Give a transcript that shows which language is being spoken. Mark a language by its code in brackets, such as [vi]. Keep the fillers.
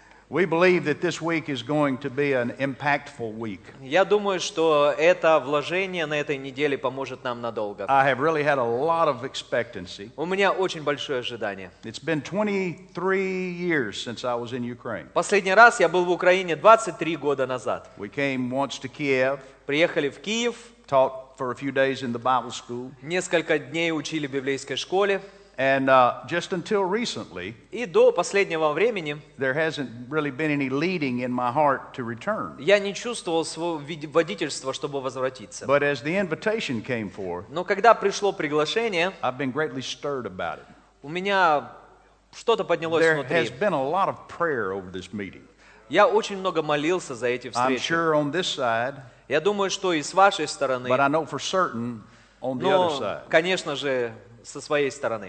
[en] We believe that this week is going to be an impactful week. [ru] Я думаю, что это вложение на этой неделе поможет нам надолго. [en] I have really had a lot of expectancy. [ru] У меня очень большое ожидание. [en] It's been 23 years since I was in Ukraine. [ru] Последний раз я был в Украине 23 года назад. [en] We came once to Kiev. [ru] Приехали в Киев. [en] Taught for a few days in the Bible school. [ru] Несколько дней учили в библейской школе. [en] And uh, just until recently, [ru] и до последнего времени, [en] there hasn't really been any leading in my heart to return. [ru] Я не чувствовал водительства, чтобы возвратиться. [en] But as the invitation came for, [ru] но когда пришло приглашение, [en] I've been greatly stirred about it. [ru] У меня что-то поднялось [en] there [ru] внутри. [en] There has been a lot of prayer over this meeting. [ru] Я очень много молился за эти встречи. [en] I'm sure on this side. [ru] Я думаю, что и с вашей стороны. [en] But I know for certain on the [ru] но, [en] other side. [ru] конечно же, со своей стороны.